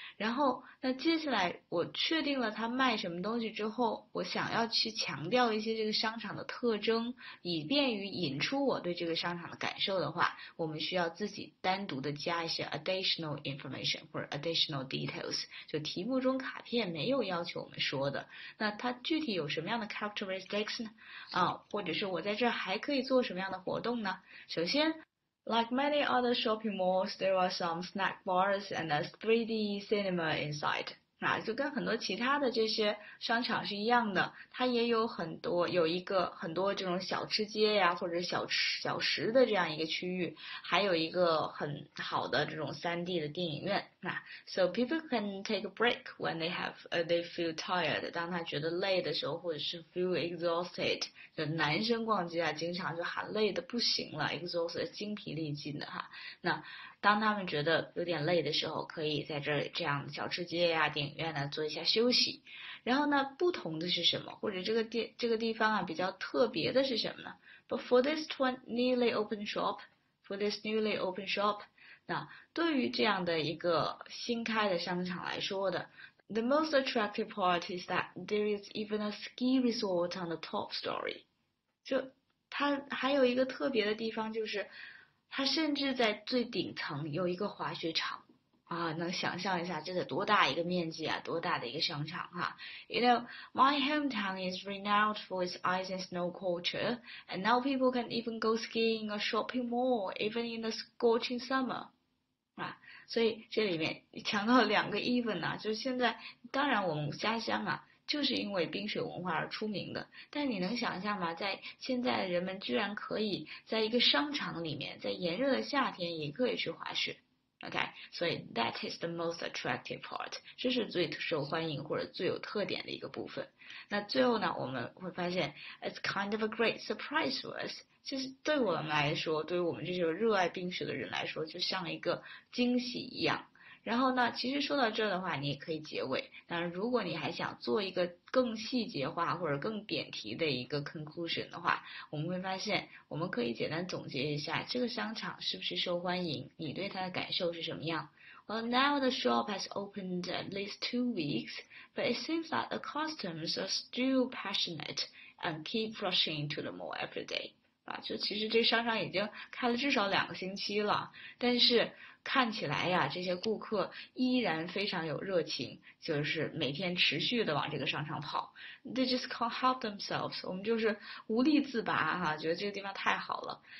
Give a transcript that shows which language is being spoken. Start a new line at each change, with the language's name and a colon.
Chinese: 然后，那接下来我确定了他卖什么东西之后，我想要去强调一些这个商场的特征，以便于引出我对这个商场的感受的话，我们需要自己单独的加一些 additional information 或者 additional details。就题目中卡片没有要求我们说的，那它具体有什么样的 characteristics 呢？或者是我在这儿还可以做什么样的活动呢？首先。
English: Like many other shopping malls, there are some snack bars and a 3D cinema inside.
Chinese: 就跟很多其他的这些商场是一样的，它也有很多有一个很多这种小吃街呀，或者小食的这样一个区域，还有一个很好的这种 3D 的电影院。
English: So people can take a break when they feel tired.
Chinese: 当他觉得累的时候，或者是 feel exhausted，就男生逛街啊，经常就喊累得不行了，exhausted 精疲力尽的哈。当他们觉得有点累的时候，可以在这这样小吃街呀、电影院呢做一下休息。
English: 然后呢，不同的是什么？或者这个地方啊比较特别的是什么呢？ But for this newly open shop, for this newly open shop，对于这样的一个新开的商场来说的， the most attractive part is that there is even a ski resort on the top story。
Chinese: 就它还有一个特别的地方就是。它甚至在最顶层有一个滑雪场，能想象一下这得多大一个面积啊，多大的一个商场哈。
English: You know, my hometown is renowned for its ice and snow culture, and now people can even go skiing a shopping mall, even in the scorching summer.
Chinese: 所以这里面强调了两个 even 呢，就是现在，当然我们家乡啊。就是因为冰雪文化而出名的，但你能想象吗？在现在，人们居然可以在一个商场里面，在炎热的夏天也可以去滑雪，OK？所以 that is the most attractive part，这是最受欢迎或者最有特点的一个部分。那最后呢，我们会发现 it's kind of a great surprise to us，就是对我们来说，对于我们这些热爱冰雪的人来说，就像一个惊喜一样。然后呢，其实说到这的话，你也可以结尾。但是如果你还想做一个更细节化或者更点题的一个 conclusion 的话，我们会发现，我们可以简单总结一下这个商场是不是受欢迎，你对它的感受是什么样。
English: Well, now the shop has opened at least 2 weeks, but it seems that the customers are still passionate and keep rushing to the mall every day.
Chinese: 就其实这商场已经开了至少2个星期了，但是。看起来呀，这些顾客依然非常有热情，就是每天持续的往这个商场跑。 They just can't help themselves，我们就是无力自拔哈，觉得这个地方太好了。